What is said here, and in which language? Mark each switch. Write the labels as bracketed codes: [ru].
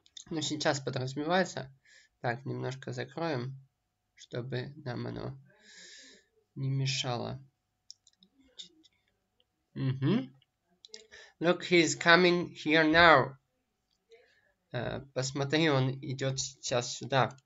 [ru] Ну, сейчас подразумевается. Так, немножко закроем, чтобы нам оно не мешало. Угу. [en] Look, he's coming here now. [ru] Посмотри, он идет сейчас сюда.